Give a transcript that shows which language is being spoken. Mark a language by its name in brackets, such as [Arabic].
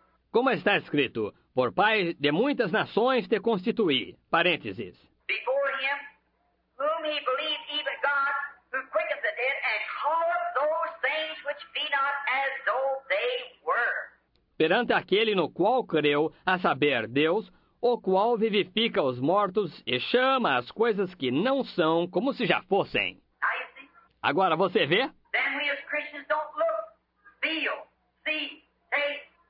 [Portuguese] Como está escrito, por pai de muitas nações te constituí, parênteses. [English] Before him, whom he believed even God, who quickened the dead, and called those things which be not as though they were. [Portuguese] Perante aquele no qual creu, a saber, Deus, o qual vivifica os mortos e chama as coisas que não são como se já fossem. Agora você vê? [English] Then we as Christians don't look, feel, see, taste.